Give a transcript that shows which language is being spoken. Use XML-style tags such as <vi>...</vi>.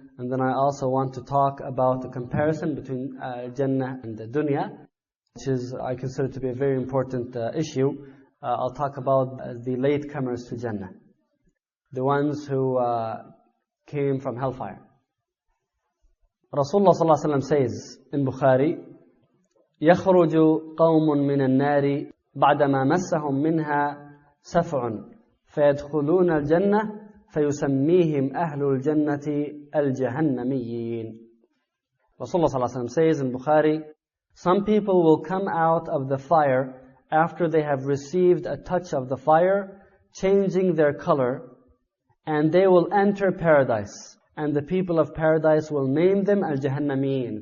<en>And then I also want to talk about the comparison between Jannah and the dunya, which is I consider to be a very important issue. I'll talk about the latecomers to Jannah, the ones who came from hellfire. Rasulullah sallallahu alaihi wasallam says in Bukhari,</en> <ar>يَخْرُجُ قَوْمٌ مِنَ النَّارِ بَعْدَمَا مَسَّهُمْ مِنْهَا سَفْعٌ فَيَدْخُلُونَ الْجَنَّةَ فَيُسَمِّيهِمْ أَهْلُ الْجَنَّةِ الْجَهَنَّمِيِّينَ.</ar> <en>Rasulullah sallallahu alayhi wa sallam says in Bukhari, some people will come out of the fire after they have received a touch of the fire, changing their color, and they will enter paradise. And the people of paradise will name them al-jahannamiyin.</en>